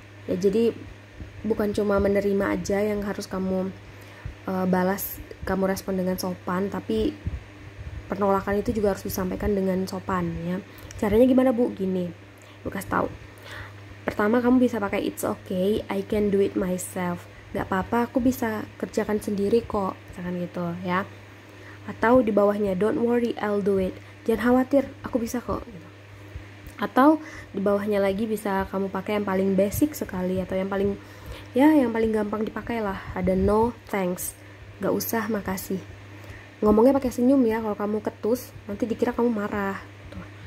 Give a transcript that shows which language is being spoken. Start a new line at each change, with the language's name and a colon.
Indonesian: Ya, jadi bukan cuma menerima aja yang harus kamu balas, kamu respon dengan sopan, tapi penolakan itu juga harus disampaikan dengan sopan ya. Caranya gimana, Bu? Gini, Bu kasih tahu. Pertama, kamu bisa pakai
English: it's okay, I can do it myself.
Indonesian: Gak apa-apa, aku bisa kerjakan sendiri kok, misalkan gitu ya. Atau di bawahnya,
English: don't worry, I'll do it.
Indonesian: Jangan khawatir, aku bisa kok. Atau di bawahnya lagi bisa kamu pakai yang paling basic sekali, atau yang paling, ya yang paling gampang dipakai lah. Ada
English: no, thanks,
Indonesian: gak usah, makasih. Ngomongnya pakai senyum ya, kalau kamu ketus nanti dikira kamu marah. Tuh.